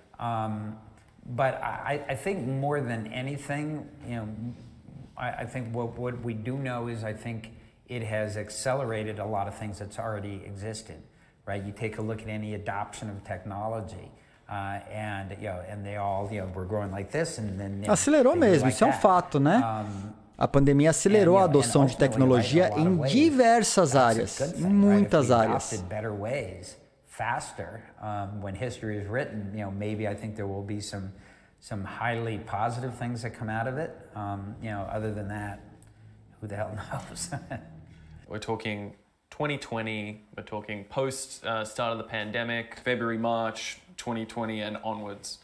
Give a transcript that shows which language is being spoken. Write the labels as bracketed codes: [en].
[en] But I think more than anything, you know, I think what we do know is I think it has accelerated a lot of things that's already existed, right? You take a look at any adoption of technology, and you know, and they all, you know, were growing like this, and then [pt] acelerou mesmo. Isso é um fato, né? A pandemia acelerou a adoção de tecnologia em diversas áreas, muitas áreas. [en] Better ways. Faster, when history is written, you know, maybe I think there will be some highly positive things that come out of it. You know, other than that, who the hell knows? We're talking 2020, we're talking post start of the pandemic, February, March 2020 and onwards.